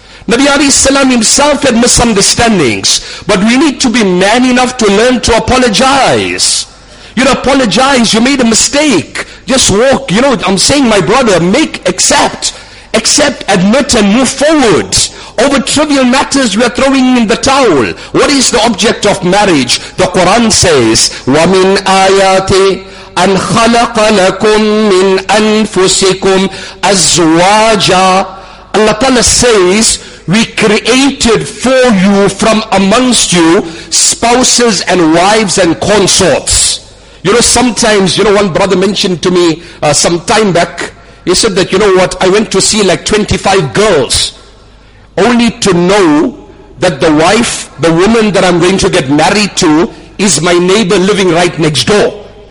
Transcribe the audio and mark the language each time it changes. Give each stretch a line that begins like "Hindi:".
English: Nabi alayhi salam himself had misunderstandings. But we need to be man enough to learn to apologize. You know, apologize, you made a mistake. Just walk, you know, I'm saying, my brother, accept, admit and move forward. Over trivial matters we are throwing in the towel. What is the object of marriage? The Quran says,
Arabic: وَمِنْ آيَاتِ أَنْ خَلَقَ لَكُمْ مِنْ أَنفُسِكُمْ أَزْوَاجًا.
English: Allah Ta'ala says, we created for you from amongst you spouses and wives and consorts. You know, sometimes, you know, one brother mentioned to me some time back, he said that, you know what, I went to see like 25 girls, only to know that the wife, the woman that I'm going to get married to, is my neighbor living right next door.